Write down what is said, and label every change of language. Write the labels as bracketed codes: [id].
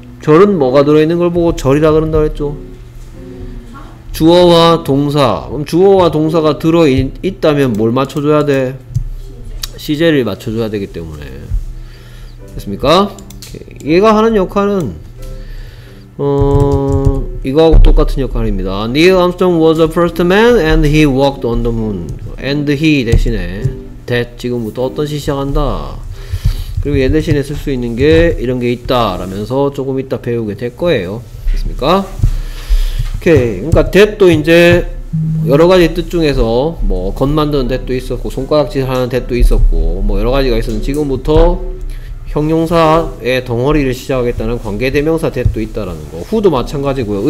[ko] 절은 뭐가 들어있는 걸 보고 절이라 그런다 그랬죠. 주어와 동사. 그럼 주어와 동사가 들어있다면 뭘 맞춰줘야 돼? 시제를 맞춰줘야 되기 때문에. 됐습니까? 오케이. 얘가 하는 역할은 이거하고 똑같은 역할입니다. [en] Neil Armstrong was the first man and he walked on the moon. [ko] And he 대신에 that 지금부터 어떤 시 시작한다. 그리고 얘 대신에 쓸 수 있는 게 이런 게 있다 라면서 조금 이따 배우게 될 거예요. 됐습니까? 오케이. 그러니까 that도 이제 여러 가지 뜻 중에서 뭐 건 만드는 that도 있었고 손가락질 하는 that도 있었고 뭐 여러 가지가 있었는데 지금부터 형용사의 덩어리를 시작하겠다는 관계대명사 that도 있다라는 거. who도 마찬가지고요.